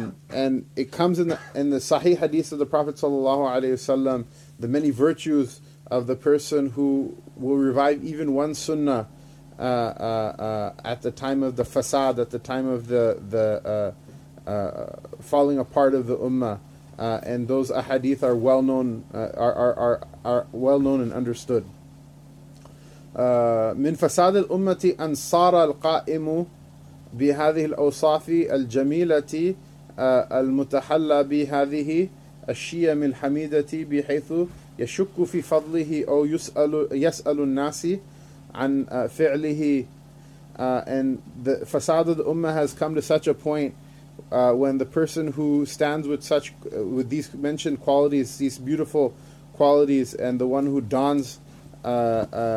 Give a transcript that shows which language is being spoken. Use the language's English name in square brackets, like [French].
[English] And it comes in the Sahih Hadith of the Prophet sallallahu alayhi wasallam, the many virtues of the person who will revive even one sunnah at the time of the fasad, at the time of the falling apart of the ummah, and those ahadith are well known, are well known and understood. [Arabic] من فساد الأمة أن صار القائم بهذه الأوصاف الجميلة المتحلى بهذه الشيم الحميدة بحيث يشك في فضله أو يسأل الناس عن فعله. [English] And the fasad of the ummah has come to such a point when the person who stands with such with these mentioned qualities, these beautiful qualities, and the one who dons mashallah